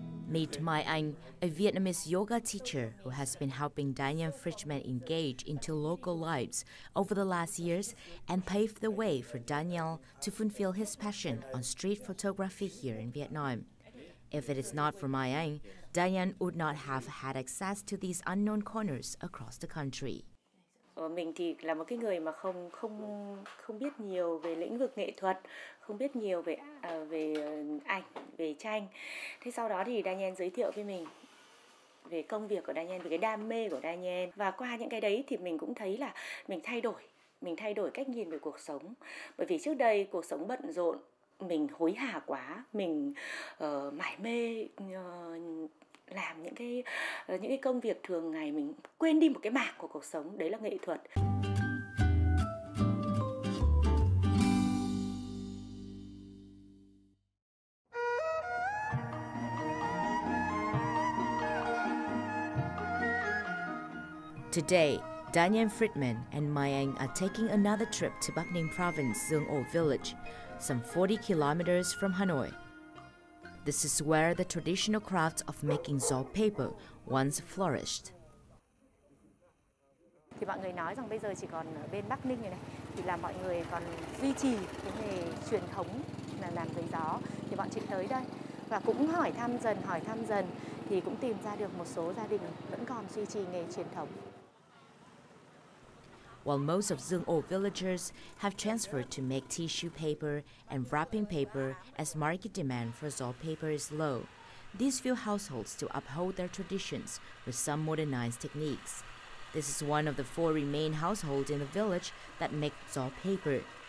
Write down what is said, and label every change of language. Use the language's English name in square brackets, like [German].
[English] Meet Mai Anh, a Vietnamese yoga teacher who has been helping Daniel Frischman engage into local lives over the last years and pave the way for Daniel to fulfill his passion on street photography here in Vietnam. If it is not for Mai Anh, Daniel would not have had access to these unknown corners across the country. [Vietnamese] Mình thì là một cái người mà không biết nhiều về lĩnh vực nghệ thuật, không biết nhiều về về ảnh, về tranh. Thế sau đó thì Daniel giới thiệu với mình về công việc của Daniel, về cái đam mê của Daniel. Và qua những cái đấy thì mình cũng thấy là mình thay đổi cách nhìn về cuộc sống. Bởi vì trước đây cuộc sống bận rộn, mình hối hả quá, mình mải mê làm những cái công việc thường ngày, mình quên đi một cái mảng của cuộc sống, đấy là nghệ thuật. [English] Today, Daniel Friedman and Mai Anh are taking another trip to Bắc Ninh Province, Dương Ổ Village, some 40 kilometers from Hanoi. This is where the traditional craft of making zo paper once flourished. [Vietnamese] Thì mọi người nói rằng bây giờ chỉ còn ở bên Bắc Ninh này thì là mọi người còn duy trì cái nghề truyền thống là làm giấy gió. Thì bọn chị tới đây và cũng hỏi thăm dần thì cũng tìm ra được một số gia đình vẫn còn duy trì nghề truyền thống. [English] While most of Dương Ổ villagers have transferred to make tissue paper and wrapping paper as market demand for zo paper is low, these few households still uphold their traditions with some modernized techniques. This is one of the four remaining households in the village that make zo paper.